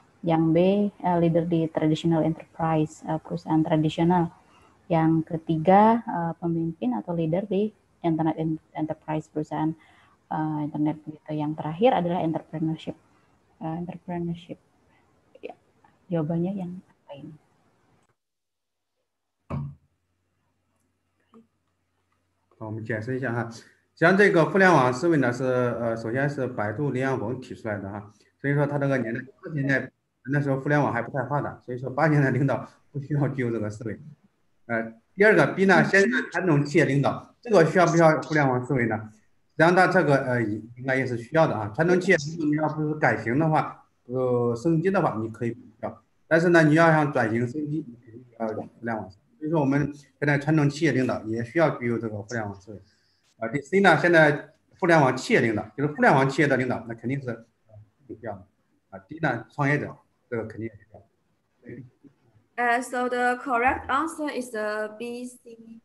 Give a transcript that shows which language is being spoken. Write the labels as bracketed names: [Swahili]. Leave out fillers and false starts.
[Indonesian] Yang B leader di traditional enterprise, perusahaan tradisional. Yang ketiga pemimpin atau leader di internet enterprise, perusahaan internet gitu. Yang terakhir adalah entrepreneurship. Entrepreneurship. Ya, jawabannya yang apa ini? [Chinese] Okay. 我们解释一下哈，像这个互联网思维呢是首先是百度林扬鹏提出来的哈，所以说他这个年代80年代那时候互联网还不太发达，所以说80年代领导不需要具有这个思维。第二个 B 呢，现在传统企业领导这个需要不需要互联网思维呢？实际上这个应该也是需要的啊，传统企业你要不是改型的话，升级的话你可以不需要，但是呢你要想转型升级，你肯定要互联网思维。所以说我们现在传统企业领导也需要具有这个互联网思维，第 C 呢，现在互联网企业领导就是互联网企业的领导，那肯定是有需要的，D 呢，创业者这个肯定也需要。 [English] So the correct answer is the B, C,